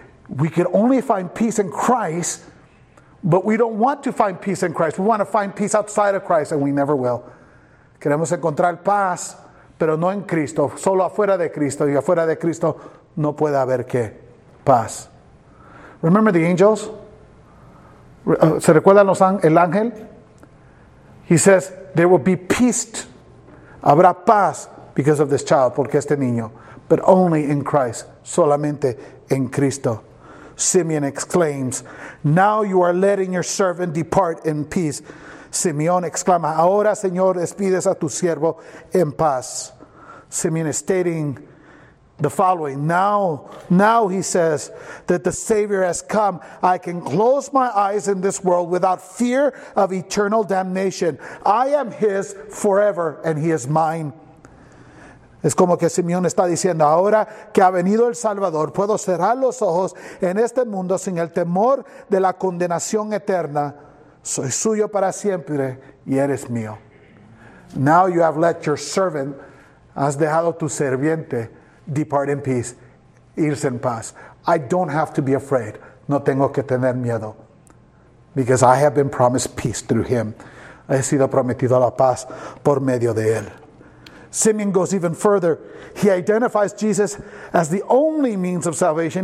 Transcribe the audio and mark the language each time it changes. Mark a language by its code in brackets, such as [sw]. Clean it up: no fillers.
[en] We can only find peace in Christ, but we don't want to find peace in Christ. We want to find peace outside of Christ, and we never will. [es] Queremos encontrar paz, pero no en Cristo. Solo afuera de Cristo. Y afuera de Cristo no puede haber qué paz. [en] Remember the angels? [es] ¿Se recuerdan el ángel? [en] He says, there will be peace. [es] Habrá paz [en] because of this child, [es] porque este niño. [en] But only in Christ. [es] Solamente en Cristo. [en] Simeon exclaims, now you are letting your servant depart in peace. [es] Simeon exclama, ahora Señor despides a tu siervo en paz. [en] Simeon is stating the following, now he says that the Savior has come. I can close my eyes in this world without fear of eternal damnation. I am his forever and he is mine. [es] Es como que Simeón está diciendo, ahora que ha venido el Salvador, puedo cerrar los ojos en este mundo sin el temor de la condenación eterna. Soy suyo para siempre y eres mío. [en] Now you have let your servant, [es] has dejado tu serviente, [en] depart in peace, [es] irse en paz. [en] I don't have to be afraid. [es] No tengo que tener miedo. [en] Because I have been promised peace through him. [es] He sido prometido la paz por medio de él. [en] Simeon goes even further. He identifies Jesus as the only means of salvation.